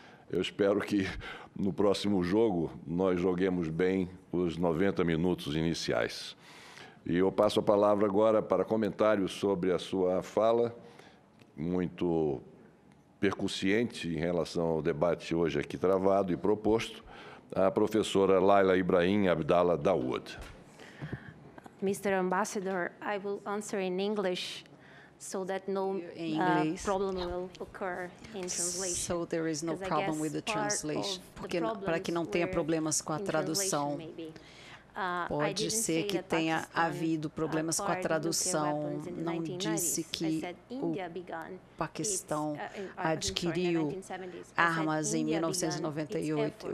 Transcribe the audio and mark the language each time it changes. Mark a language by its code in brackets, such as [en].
[pt] Eu espero que no próximo jogo nós joguemos bem os 90 minutos iniciais. E eu passo a palavra agora para comentários sobre a sua fala, muito percussiente em relação ao debate hoje aqui travado e proposto, a professora Laila Ibrahim Abdallah Dawood. [en] Mr. Ambassador, I will answer in English. so that no problem will occur in translation. So there is no problem with the translation. [pt] Porque para que não tenha problemas com a tradução. Pode ser que tenha havido problemas com a tradução. Não disse que o Paquistão adquiriu armas em 1998.